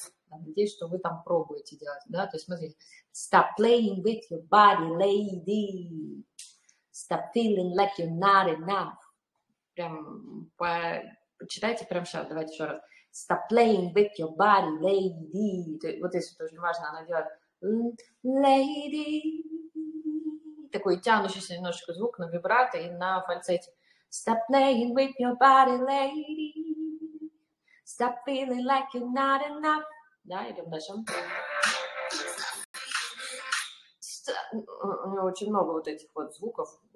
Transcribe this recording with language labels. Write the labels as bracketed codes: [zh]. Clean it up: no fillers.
[ru] Надеюсь, что вы там пробуете делать, да? То есть смотрите. [en] Stop playing with your body, lady. Stop feeling like you're not enough. [ru] Прям почитайте прям сейчас, давайте еще раз. [en] Stop playing with your body, lady. [ru] Вот если тоже важно, она делает lady. Такой тянущийся немножечко звук на вибрато и на фальцете. [en] Stop playing with your body, lady. Stop feeling like you're not enough. [ru] Да, идем дальше. У нее очень много вот этих вот звуков.